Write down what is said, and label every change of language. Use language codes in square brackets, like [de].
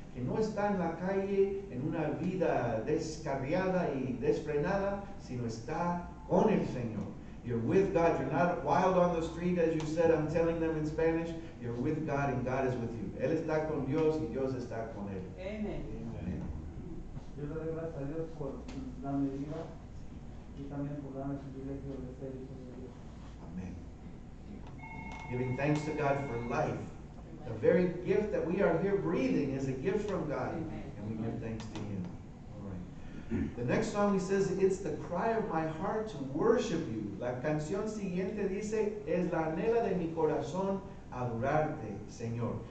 [es] que no está en la calle en una vida descarriada y desfrenada, sino está con el Señor. [en] You're with God. You're not wild on the street, as you said. I'm telling them in Spanish. You're with God, and God is with you. [es] Él está con Dios, y Dios está con él. [en] Amen. [es] Yo le doy gracias a Dios por darme vida y también por darme el privilegio de ser hijo de Dios. [en] Amen. Giving thanks to God for life. The very gift that we are here breathing is a gift from God. And we give thanks to Him. All right. The next song, he says, it's the cry of my heart to worship you. [es] La canción siguiente dice, es la anhela de mi corazón adorarte, Señor.